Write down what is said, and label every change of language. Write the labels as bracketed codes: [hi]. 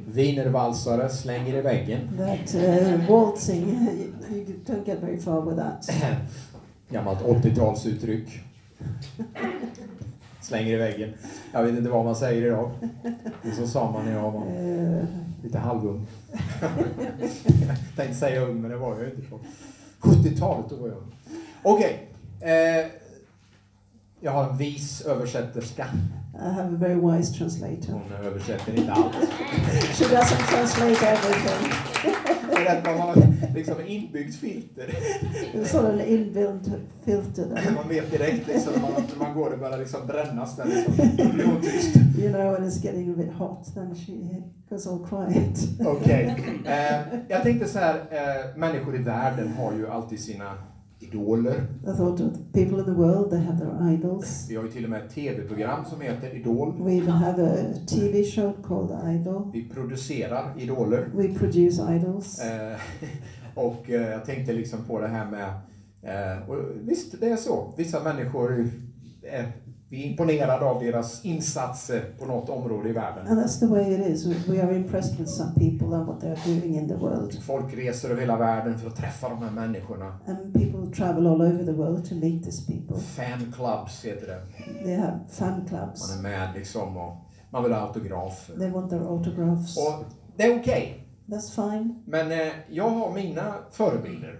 [sv] Wienervalsare slänger i väggen. [en] That waltzing, you don't get very far with that. [sv] Gammalt 80-talsuttryck. Slänger i väggen. Jag vet inte vad man säger idag. Det så sa man när jag var lite halvung. Jag tänkte säga ung, men det var jag inte på. 70-talet då var jag. Okej. Jag har en vis översätterska. [en] I have a very wise translator. [sv] Hon översätter inte allt. [en] She doesn't translate everything. [sv] Det är liksom en inbyggd filter. En sån där inbyggd filter. Man vet direkt liksom när man går och börjar liksom brännas där liksom. Blir tyst. [en] You know, when it's getting a bit hot, then she goes all quiet. [sv] Okej. Jag tänkte så här, människor i världen har ju alltid sina idoler. [en] I thought of the people in the world, they have their idols. [sv] Vi har ju till och med ett tv-program som heter Idol. [en] We have a TV show called Idol. [sv] Vi producerar idoler. [en] We produce idols. [sv] Och jag tänkte liksom på det här med visst, det är så. Vissa människor vi är imponerade av deras insatser på något område i världen. [en] And that's the way it is. We are impressed with some people and what they're doing in the world. [sv] Folk reser över hela världen för att träffa de här människorna. [en] And people travel all over the world to meet these people. [sv] Fan clubs heter det. [en] They have fan clubs. [sv] Man är med liksom och man vill ha autografer. [en] They want their autographs. [sv] Och det är okej. Okay. [en] That's fine. [sv] Men jag har mina förebilder.